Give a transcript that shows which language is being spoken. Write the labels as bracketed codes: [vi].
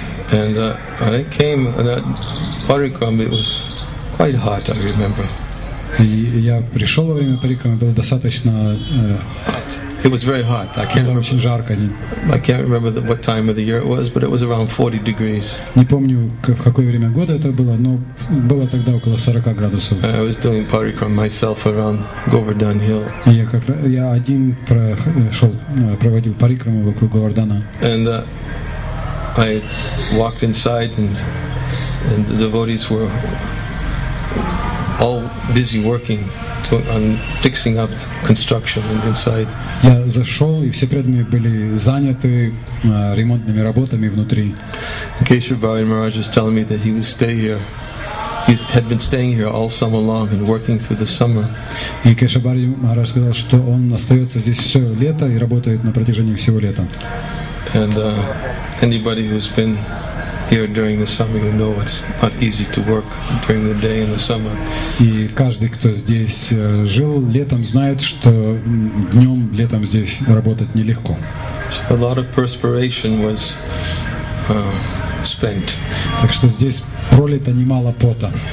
[en] And when I came that Parikram, it was quite hot, I remember. [ru] И я пришел во время Парикрама, было достаточно [en] It was very hot. I can't remember what time of the year it was, but it was around 40 degrees. [ru] Не помню, в какое время года это было, но было тогда около 40 градусов. [en] I was doing Parikram myself around Govardhan Hill. [ru] Я один проводил Парикраму вокруг Говардхана. [en] And I walked inside and the devotees were all busy working. On fixing up construction inside. [ru] Я зашел, и все преданные были заняты ремонтными работами внутри. [en] Keshav Bhavani Maharaj was telling me that he would stay here. He had been staying here all summer long and working through the summer. [ru] И Keshav Bhavani Maharaj сказал, что он остается здесь все лето и работает на протяжении всего лета. [en] And anybody who's been here during the summer, you know it's not easy to work during the day in the summer. [ru] И каждый, кто здесь жил летом, знает, что днем летом здесь работать нелегко. [en] So a lot of perspiration was spent. [ru] Так что здесь пролито немало пота.